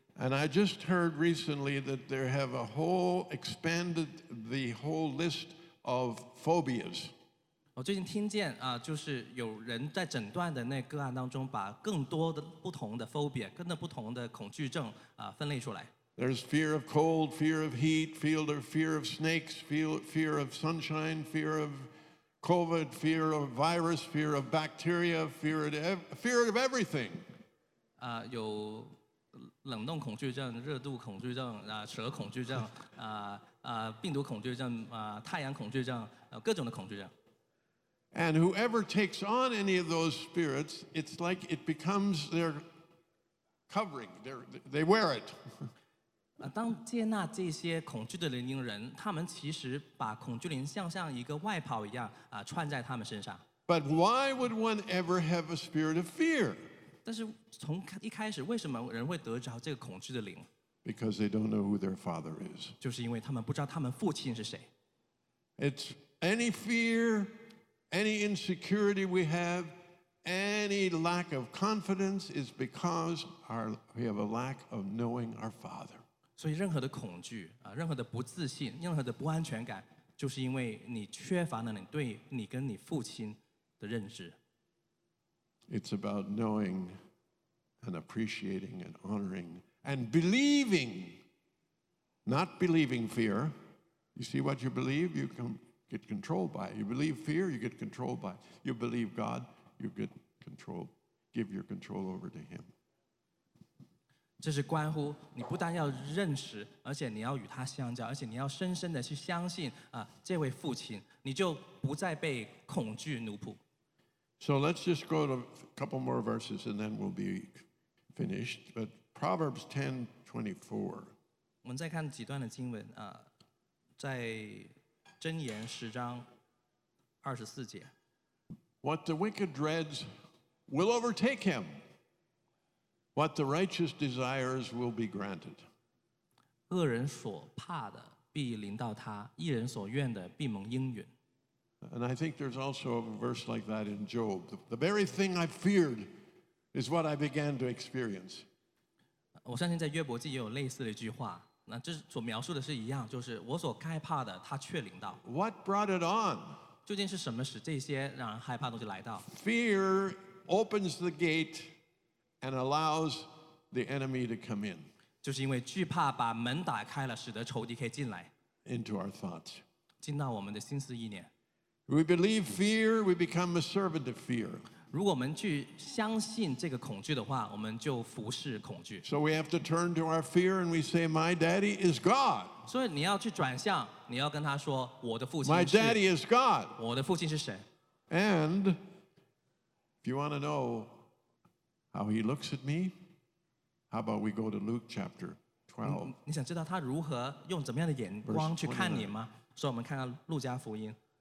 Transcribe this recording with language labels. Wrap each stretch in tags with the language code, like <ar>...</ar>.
<en>And I just heard recently that they have expanded the whole list of phobias.</en> <zh>我最近听见就是有人在诊断的那个案当中把更多的不同的 phobia 跟那不同的恐惧症分类出来。</zh> <en>There's fear of cold, fear of heat, fear of snakes, fear of sunshine, fear of COVID, fear of virus, fear of bacteria, fear of everything.</en> <zh>有冷冻恐惧症、热度恐惧症、蛇恐惧症、病毒恐惧症、太阳恐惧症、各种的恐惧症。</zh> <en>And whoever takes on any of those spirits, it's like it becomes their covering. They wear it.</en> <zh>当接纳这些恐惧的灵灵人，他们其实把恐惧灵像一个外袍一样穿在他们身上。</zh> <en>But why would one ever have a spirit of fear?</en> <zh>但是从一开始，为什么人会得着这个恐惧的灵？</zh> <en>Because they don't know who their father is.</en> <zh>就是因为他们不知道他们父亲是谁。</zh> <en>It's any fear, any insecurity we have, any lack of confidence is because we have a lack of knowing our father.</en> <zh>所以任何的恐惧，任何的不自信，任何的不安全感，就是因为你缺乏了你对你跟你父亲的认识。</zh> <en>It's about knowing and appreciating and honoring and believing, not believing fear. You see what you believe, you can get controlled by it. You believe fear, you get controlled by it. You believe God, you get control, give your control over to him.</en> <zh>这是关乎你不但要认识，而且你要与他相交，而且你要深深的去相信这位父亲，你就不再被恐惧奴仆。</zh> <en>So let's just go to a couple more verses and then we'll be finished. But Proverbs 10:24.</en> <zh>我们再看几段的经文在箴言十章二十四节。</zh> <en>What the wicked dreads will overtake him. What the righteous desires will be granted.</en> <zh>恶人所怕的必临到他，义人所愿的必蒙应允。</zh> <en>And I think there's also a verse like that in Job. The very thing I feared is what I began to experience.</en> <zh>我相信在约伯记也有类似的一句话，那这所描述的是一样，就是我所害怕的他却临到。</zh> <en>What brought it on?</en> <zh>究竟是什么使这些让人害怕的东西来到？</zh> <en>Fear opens the gate and allows the enemy to come in.</en> <zh>就是因为惧怕把门打开了，使得仇敌可以进来。</zh> <en>Into our thoughts.</en> <zh>进到我们的心思意念。</zh> <en>We believe fear, we become a servant of fear.</en> <zh>如果我们去相信这个恐惧的话，我们就服侍恐惧。</zh> <en>So we have to turn to our fear and we say, my daddy is God.</en> <zh>所以你要去转向，你要跟他说，我的父亲是。</zh> <en>My daddy is God.</en> <zh>我的父亲是谁。</zh> <en>And if you want to know how he looks at me, how about we go to Luke chapter 12?</en> <zh>你想知道他如何用怎么样的眼光去看你吗？所以我们看看路加福音。</zh>